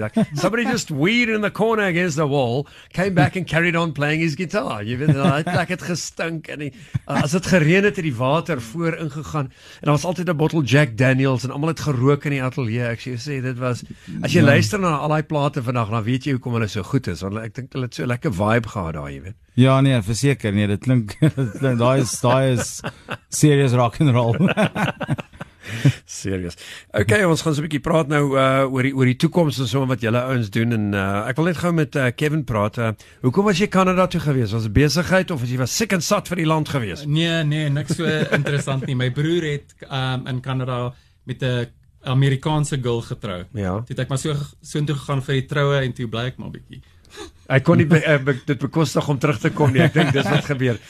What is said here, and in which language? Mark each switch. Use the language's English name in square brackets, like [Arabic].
[English] Like, somebody just weed in the corner against the wall, came back and carried on playing his guitar. [Afrikaans] Jy weet, hy het gestink. En as het gereen het, het die water voor ingegaan. En daar was altyd een bottle Jack Daniels en allemaal het gerook in die atelier. Ek sê, dit was, as jy luister na al die plate vandag, dan weet jy hoekom hulle so goed is. Want ek dink hulle het so lekker vibe gehad daar, jy weet. Ja, nee, verseker, nee, dit klink, dit klink, daar is [English] serious rock and roll. Serious. [Afrikaans] Ok, ons gaan so 'n bietjie praat nou oor die toekoms en so wat julle ouens doen. En ek wil net gou met Kevin praat. Hoekom was jy Kanada toe gewees? Was dit besigheid of was jy [English] sick and sat [Afrikaans] vir die land gewees? Nee, niks so interessant nie. My broer het in Kanada met 'n Amerikaanse girl getrou. Ja. Toe het ek maar so intoe gegaan vir die troue en toe bly ek maar 'n bietjie. Ek kon nie dit bekostig om terug te kom nie. Ek dink dis wat gebeur.